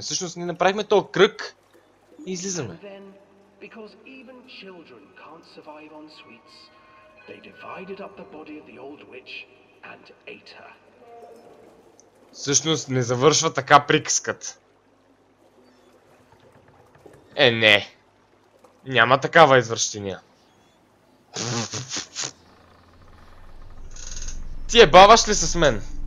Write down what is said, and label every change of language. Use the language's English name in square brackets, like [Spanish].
[Bulgarian] Всъщност ние направихме този кръг и излизаме. [English] Because even children can't survive on sweets, they divided up the body of the old witch and ate her. [Bulgarian] Всъщност не завършва така приказката. Е, не. Няма такава извръщения. Ти е баваш ли с мен?